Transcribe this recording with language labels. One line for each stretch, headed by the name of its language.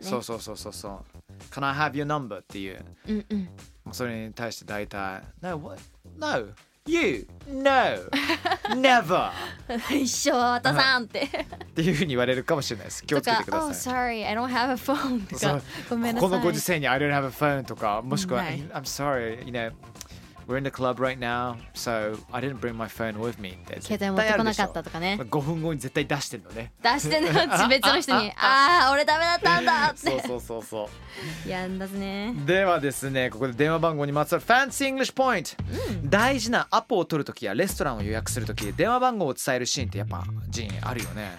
English: そう、Can I have your number? っていう、
Japanese: うんうん、それに対して大体
English: No, what? No, you, no, never
Japanese: 一生渡さんって、うん、っていうふうに言われるかもしれないです。気をつけてください。
English: とか、Oh, sorry, I don't have a phone とか、
Japanese: ごめんなさい、このご時世に
English: I don't have a phone とか、もしくは、はい、I'm sorry, you know, we're in the club right now, so I didn't bring my phone with me.
Japanese: 携帯持ってこなかったとかね。 5分後に絶対出してるのね。出してるの、別の人に俺ダメだったんだってそうやんだね。ではですね、ここで電話番号にまつわるファンシー・イングリッシュ・ポイント、うん、大事なアポを取るときやレストランを予約するとき電話番号を伝えるシーンってやっぱジーンあるよね。